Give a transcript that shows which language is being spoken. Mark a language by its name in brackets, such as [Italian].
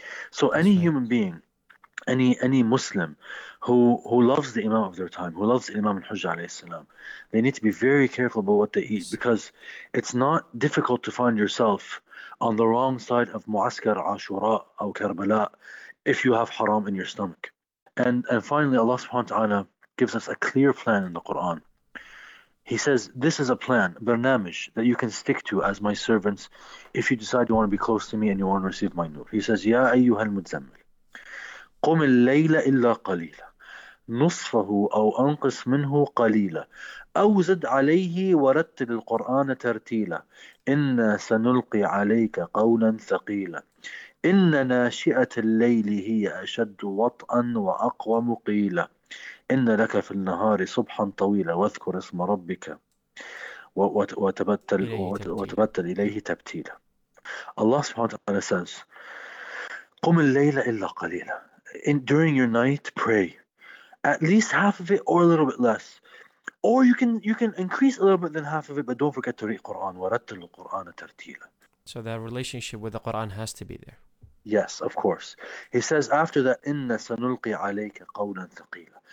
[English] So any human being, any Muslim who loves the imam of their time, who loves Imam al-Hujjah alayhi salam, they need to be very careful about what they eat, because it's not difficult to find yourself on the wrong side of Mu'askar Ashura or Karbala if you have haram in your stomach. And finally, Allah subhanahu wa ta'ala gives us a clear plan in the Quran. He says, this is a plan, barnamish, that you can stick to as my servants if you decide you want to be close to me and you want to receive my nur. He says, [Arabic] Ya ayyuhal mudzammil, قم الليل إلا قليلا نصفه أو أنقص منه قليلا أو زد عليه ورتل القرآن ترتيلا إن سنلقي عليك قولا ثقيلا إن ناشئة الليل هي أشد وطئا وأقوى مقيلا إن لك في النهار صبحا طويلا واذكر اسم ربك وتبتل إليه تبتيلا. الله سبحانه وتعالى says, قم الليل إلا قليلا. [English] During your night, pray at least half of it or a little bit less, or you can increase a little bit than half of it, but don't forget to read Quran. [Arabic] ورتل القرآن ترتيلا. [English] So that relationship with the Quran has to be there. Yes, of course. He says after that, [Arabic] إِنَّ سَنُلْقِي عَلَيْكَ قَوْلًا ثَقِيلًا.